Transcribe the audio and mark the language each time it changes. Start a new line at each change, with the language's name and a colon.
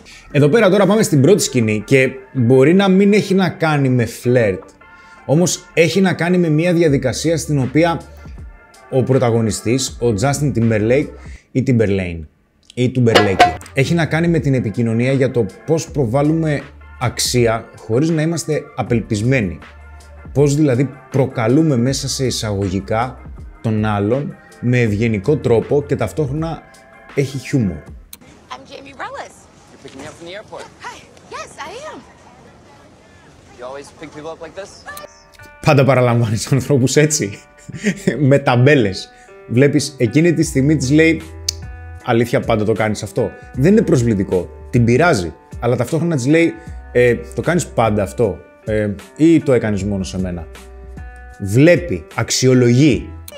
Greek: Εδώ πέρα τώρα πάμε στην πρώτη σκηνή και μπορεί να μην έχει να κάνει με φλερτ, όμως έχει να κάνει με μια διαδικασία στην οποία ο πρωταγωνιστής, ο Justin Timberlake ή Timberlane ή Timberlake, έχει να κάνει με την επικοινωνία για το πώς προβάλλουμε αξία χωρίς να είμαστε απελπισμένοι. Πώς δηλαδή προκαλούμε μέσα σε εισαγωγικά τον άλλον με ευγενικό τρόπο και ταυτόχρονα έχει χιούμορ.
English: I'm Jamie Rellis. You're picking me up from the airport. Hi. Yes, I am. You always pick people up like this?
Greek: Πάντα παραλαμβάνεις ανθρώπους έτσι, με ταμπέλες. Βλέπεις, εκείνη τη στιγμή της λέει, αλήθεια πάντα το κάνεις αυτό. Δεν είναι προσβλητικό, την πειράζει. Αλλά ταυτόχρονα της λέει, το κάνεις πάντα αυτό. Ή το έκανες μόνο σε μένα. Βλέπει, αξιολογεί.